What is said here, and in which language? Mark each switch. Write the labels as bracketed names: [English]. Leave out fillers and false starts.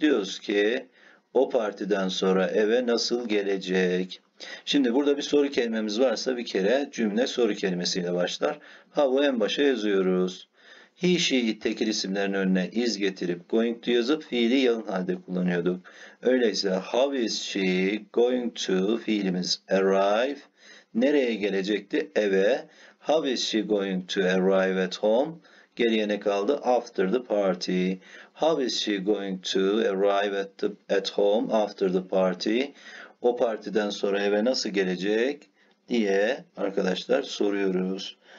[Turkish] Diyoruz ki o partiden sonra eve nasıl gelecek? Şimdi burada bir soru kelimemiz varsa bir kere cümle soru kelimesiyle başlar. How'u en başa yazıyoruz. He, she, tekil isimlerin önüne is getirip [English] going to [Turkish] yazıp fiili yalın halde kullanıyorduk. Öyleyse [English] how is she going to [Turkish] fiilimiz [English] arrive. [Turkish] Nereye gelecekti? Eve. [English] How is she going to arrive at home? [Turkish] Geriye ne kaldı? [English] After the party. How is she going to arrive at home after the party? [Turkish] O partiden sonra eve nasıl gelecek diye arkadaşlar soruyoruz.